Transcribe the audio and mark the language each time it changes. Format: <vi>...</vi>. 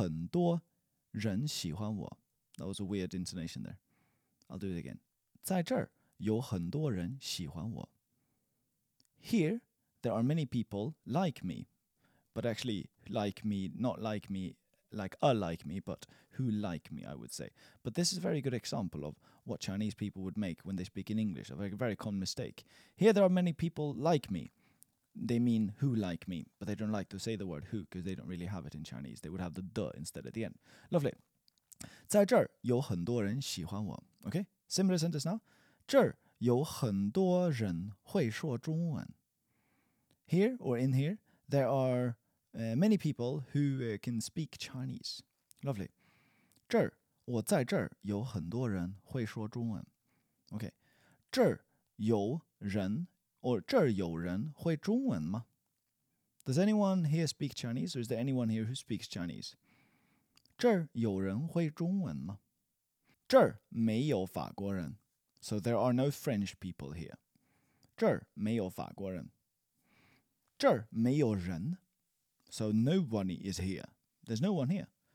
<zh>在这儿有很多人喜欢我.</zh> <en>That was a weird intonation there. I'll do it again.</en> <zh>在这儿有很多人喜欢我.</zh> <en>Here, there are many people like me. But actually, like me, not like me, like a like me, but who like me, I would say. But this is a very good example of what Chinese people would make when they speak in English, a very, very common mistake. Here there are many people like me. They mean who like me, but they don't like to say the word who because they don't really have it in Chinese. They would have the instead at the end. Lovely.</en> <zh>在这儿有很多人喜欢我.</zh> <en>Okay, similar sentence now.</en> <zh>这儿有很多人会说中文.</zh> <en>Here or in here, there are many people who can speak Chinese. Lovely.</en> <zh>这儿,我在这儿有很多人会说中文.</zh> <en>Okay.</en> <zh>这儿有人, or 这儿有人会中文吗?</zh> <en>Does anyone here speak Chinese, or is there anyone here who speaks Chinese?</en> <zh>这儿有人会中文吗? 这儿没有法国人.</zh> <en>So there are no French people here.</en> <zh>这儿没有法国人. 这儿没有人.</zh> <en>So nobody is here. There's no one here.</en>